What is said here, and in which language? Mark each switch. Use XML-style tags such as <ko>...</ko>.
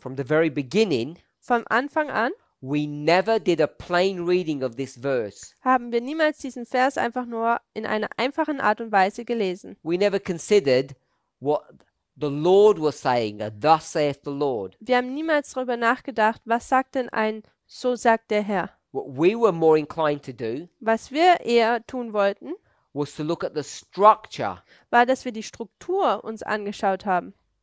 <en>From the very beginning,</en> <de>vom Anfang an,</de> <en>we never did a plain reading of this verse.</en> <de>Haben wir niemals diesen Vers einfach nur in einer einfachen Art und Weise gelesen.</de> <en>We never considered what the Lord was saying, thus saith the Lord.</en> <de>Wir haben niemals darüber nachgedacht, was sagt denn ein so sagt der Herr.</de> <en>What we were more inclined to do,</en> <de>was wir eher tun wollten,</de> <en>was to look at the structure,</en> <de>war, dass wir die Struktur uns angeschaut haben.</de>